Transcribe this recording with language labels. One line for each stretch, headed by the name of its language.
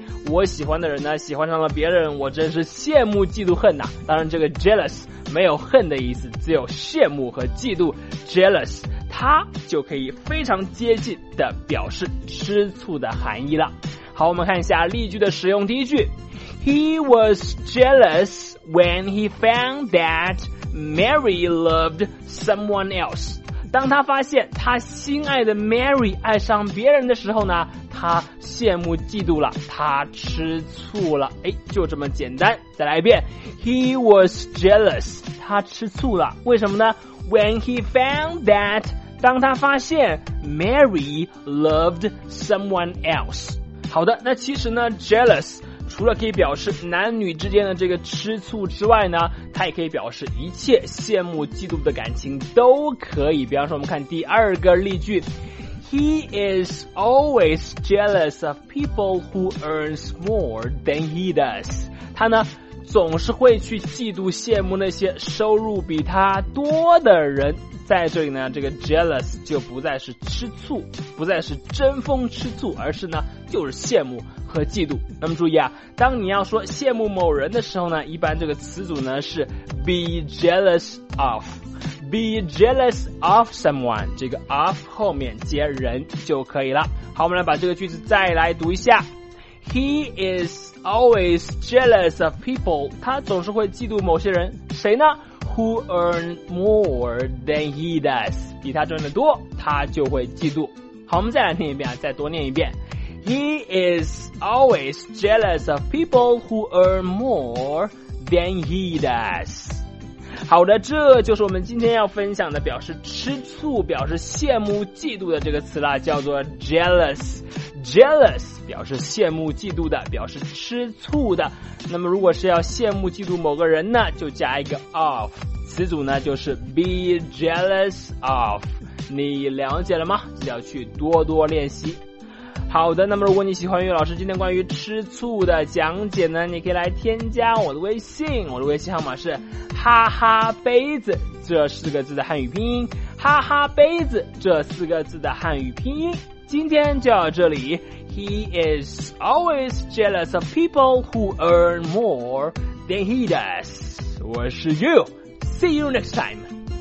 Chinese: 我喜欢的人呢喜欢上了别人，我真是羡慕、嫉妒、恨呐。当然，这个 jealous 没有恨的意思，只有羡慕和嫉妒。 jealous 它就可以非常接近的表示吃醋的含义了。好，我们看一下例句的使用。第一句
English: ，He was jealous when he found that Mary loved someone else。
Chinese: 当他发现他心爱的 Mary 爱上别人的时候呢，他羡慕嫉妒了，他吃醋了。就这么简单。再来一遍 ，
English: He was jealous，
Chinese: 他吃醋了，为什么呢 ？
English: When he found that，
Chinese: 当他发现
English: Mary loved someone else。
Chinese: 好的，那其实呢 ，jealous。除了可以表示男女之间的这个吃醋之外呢，它也可以表示一切羡慕嫉妒的感情都可以。比方说我们看第二个例句
English: He is always jealous of people who earns more than he does。
Chinese: 他呢总是会去嫉妒羡慕那些收入比他多的人。在这里呢，这个 jealous 就不再是吃醋，不再是争风吃醋，而是呢就是羡慕和嫉妒。那么注意啊，当你要说羡慕某人的时候呢，一般这个词组呢是
English: be jealous of someone，
Chinese: 这个 of 后面接人就可以了。好，我们来把这个句子再来读一下。
English: He is always jealous of people，
Chinese: 他总是会嫉妒某些人，谁呢？
English: Who earn more than he does，
Chinese: 比他赚得多他就会嫉妒。好，我们再来念一遍，再多念一遍。
English: He is always jealous of people who earn more than he does。
Chinese: 好的，这就是我们今天要分享的表示吃醋、表示羡慕、嫉妒的这个词了，叫做 jealous。 Jealous 表示羡慕、嫉妒的，表示吃醋的。那么如果是要羡慕、嫉妒某个人呢，就加一个 of， 词组呢就是
English: be jealous of。
Chinese: 你了解了吗？记得要去多多练习。好的，那么如果你喜欢悠悠老师今天关于吃醋的讲解呢，你可以来添加我的微信，我的微信号码是哈哈杯子这四个字的汉语拼音，哈哈杯子这四个字的汉语拼音。今天就到这里。
English: He is always jealous of people who earn more than he does。
Chinese: 我是悠悠，
English: See you next time。